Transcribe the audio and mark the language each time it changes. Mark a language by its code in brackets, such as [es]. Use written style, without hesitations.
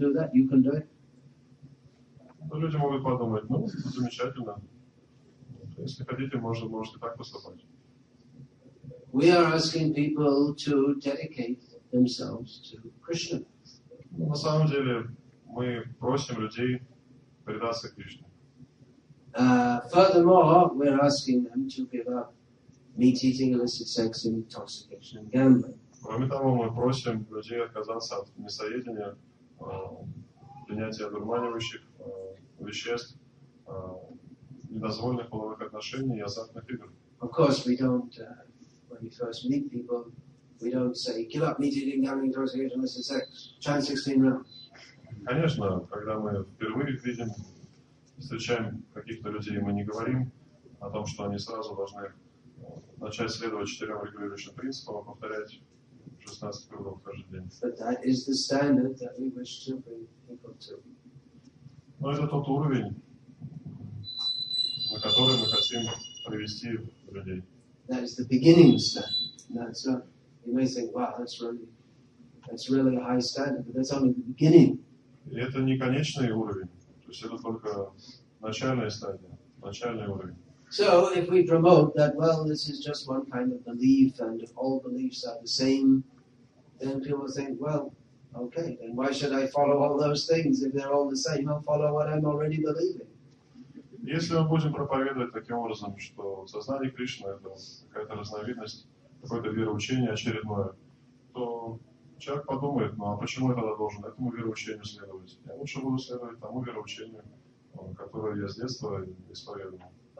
[ru] Ну, люди могут подумать, ну, это замечательно. Если хотите, можете так поступать. [en] We are asking people to dedicate themselves to Krishna. [ru] Ну, на самом деле, мы просим людей предаться Кришне. [en] Furthermore, we're asking them to give up meat eating, illicit sex, intoxication, and gambling. [ru] Кроме того, мы просим людей отказаться от мясоедения, принятия одурманивающих веществ, недозволенных половых отношений и азартных игр. [en] Of course, we don't. When we first meet people, we don't say, "Give up meat eating, gambling, intoxication, illicit sex. Try 16 rounds." [ru] Конечно, когда мы впервые видим, встречаем каких-то людей, мы не говорим о том, что они сразу должны начать следовать четырем регулирующим принципам, а повторять 16 кругов каждый день. [en] But that is the standard that we wish to bring people to. [ru] Но это тот уровень, на который мы хотим привести людей. [en] That is the beginning standard. That's what you may think, wow, that's really a high standard, but that's only the beginning. [ru] И это не конечный уровень, то есть это только начальная стадия, начальный уровень. [en] So if we promote that, well, this is just one kind of belief, and if all beliefs are the same, then people think, well, okay, then why should I follow all those things if they're all the same? I'll follow what I'm already believing. [ru] Если мы будем проповедовать таким образом, что сознание Кришны — это какая-то разновидность, какое-то вероучение очередное, то человек подумает, ну а почему я тогда должен этому вероучению следовать? Я лучше буду следовать тому вероучению, которое я с детства исповедовал.